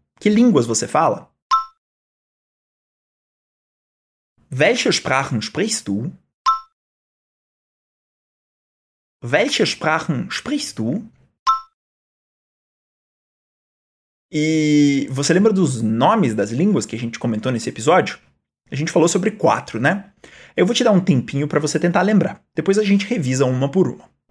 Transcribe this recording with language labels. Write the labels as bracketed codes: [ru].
[pt] Que línguas você fala? [de] Welche Sprachen sprichst du? Welche Sprachen sprichst du? [pt] E você lembra dos nomes das línguas que a gente comentou nesse episódio? A gente falou sobre quatro, né? Eu vou te dar um tempinho para você tentar lembrar. Depois a gente revisa uma por uma.